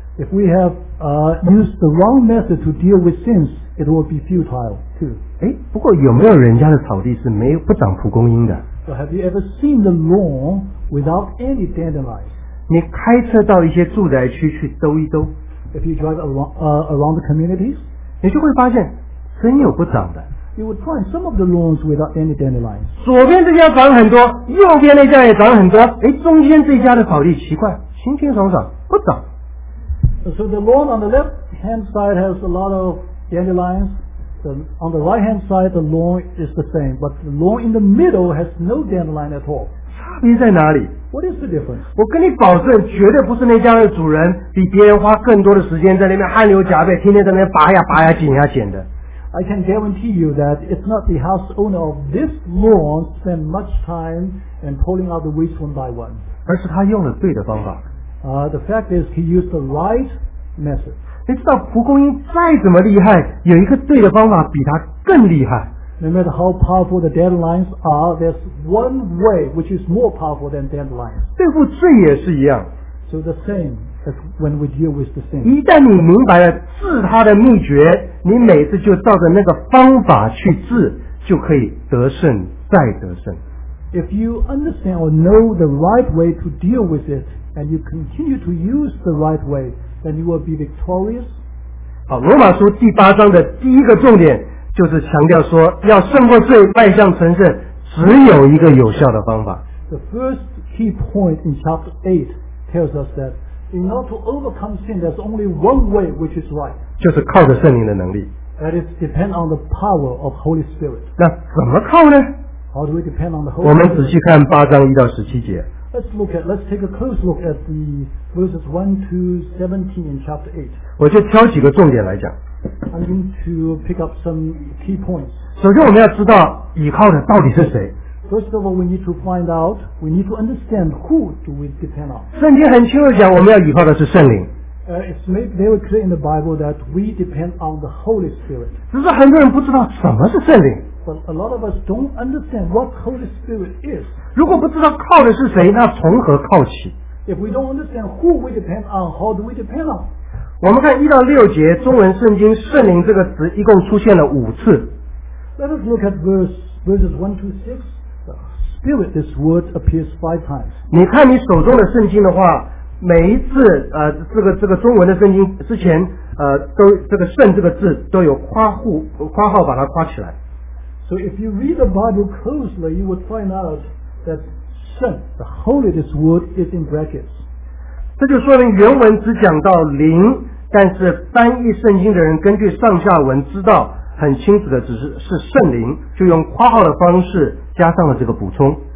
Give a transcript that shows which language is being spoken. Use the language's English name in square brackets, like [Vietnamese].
[English] If we have used the wrong method to deal with sins, it will be futile too. [Chinese] 诶，不过有没有人家的草地是没有不长蒲公英的？ [English] So have you ever seen the lawn without any dandelions? [Chinese] 你开车到一些住宅区去兜一兜 [English] ，if you drive around the communities, [Chinese] 你就会发现真有不长的。 [English] You would find some of the lawns without any dandelions. [Chinese] 左边这家长很多，右边那家也长很多。哎，中间这家的草地奇怪，清清爽爽，不长。 [English] So the lawn on the left hand side has a lot of dandelions. On the right hand side, the lawn is the same, but the lawn in the middle has no dandelion at all. [Chinese] 差别在哪里？ [English] What is the difference? [Chinese] 我跟你保证，绝对不是那家的主人比别人花更多的时间在那边汗流浃背，天天在那边拔呀拔呀、剪呀剪的。 [English] I can guarantee you that it's not the house owner of this lawn spend much time and pulling out the weeds one by one. [Chinese] 而是他用了对的方法。 [English] The fact is he used the right method. [Chinese] 你知道蒲公英再怎么厉害，有一个对的方法比它更厉害。 [English] No matter how powerful the dandelions are, there's one way which is more powerful than dandelions. [Chinese] 对付罪也是一样。 [English] So the same. That's when we deal with the sin. [Chinese] 一旦你明白了治他的秘诀，你每次就照着那个方法去治，就可以得胜再得胜。 [English] If you understand or know the right way to deal with it, and you continue to use the right way, then you will be victorious. [Chinese] 好，罗马书第八章的第一个重点就是强调说，要胜过罪，迈向成圣，只有一个有效的方法。 [English] The first key point in chapter 8 tells us that. In order to overcome sin, there's only one way which is right. [Chinese] 就是靠着圣灵的能力。 [English] That is depend on the power of Holy Spirit. [Chinese] 那怎么靠呢？ [English] How do we depend on the Holy Spirit? [Chinese] 我们仔细看八章一到十七节。 [English] Let's take a close look at the verses 1 to 17 in chapter 8. [Chinese] 我就挑几个重点来讲。 [English] I'm going to pick up some key points. [Chinese] 首先我们要知道倚靠的到底是谁。 [English] First of all, we need to find out, we need to understand who do we depend on. [Chinese] 圣经很清楚讲我们要依靠的是圣灵。 [English] It's made very clear in the Bible that we depend on the Holy Spirit. [Chinese] 只是很多人不知道什么是圣灵。 [English] But a lot of us don't understand what Holy Spirit is. [Chinese] 如果不知道靠的是谁，那从何靠起？ [English] If we don't understand who we depend on, how do we depend on? [Chinese] 我们看一到六节，中文圣经圣灵这个词一共出现了五次。 [English] Let us look at verses 1 to 6. Spirit, this word appears 5 times. [Chinese] 你看你手中的圣经的话，每一次这个中文的圣经之前都这个圣这个字都有括号把它括起来。 [English] So if you read the Bible closely, you would find out that 圣 the Holy, this word is in brackets. [Chinese] 这就说明原文只讲到灵，但是翻译圣经的人根据上下文知道很清楚的只是圣灵，就用括号的方式加上了这个补充。